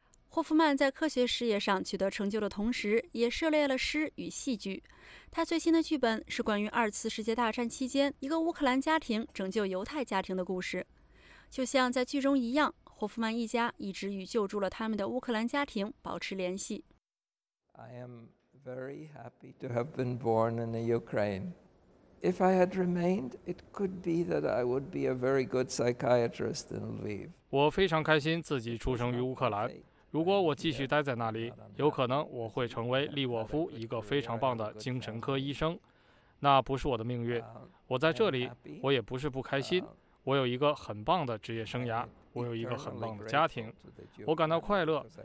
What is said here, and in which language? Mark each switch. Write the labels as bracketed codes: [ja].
[zh] 霍夫曼在科学事业上取得成就的同时，也涉猎了诗与戏剧。他最新的剧本是关于二次世界大战期间一个乌克兰家庭拯救犹太家庭的故事。就像在剧中一样，霍夫曼一家一直与救助了他们的乌克兰家庭保持联系。 [en] I am very happy to have been born in the Ukraine. If I had remained, it could be that I would be a very good psychiatrist in Lviv. [zh] 我非常开心自己出生于乌克兰。如果我继续待在那里，有可能我会成为利沃夫一个非常棒的精神科医生。那不是我的命运。我在这里，我也不是不开心。我有一个很棒的职业生涯，我有一个很棒的家庭，我感到快乐。